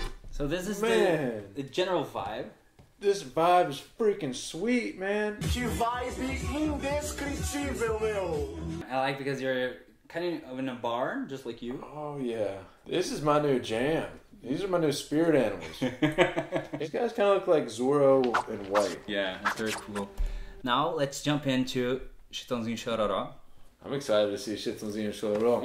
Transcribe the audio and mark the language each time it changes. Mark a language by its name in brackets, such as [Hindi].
[English] So this is the general vibe. This vibe is freaking sweet, man. [Portuguese] Que vibe indescritível, meu. [English] I like because you're kind of in a bar, just like you. Oh, yeah. This is my new jam. These are my new spirit animals. These guys kind of look like Zorro and White. Yeah, that's very cool. Now, let's jump into Chitãozinho Chororó. I'm excited to see Chitãozinho Chororó.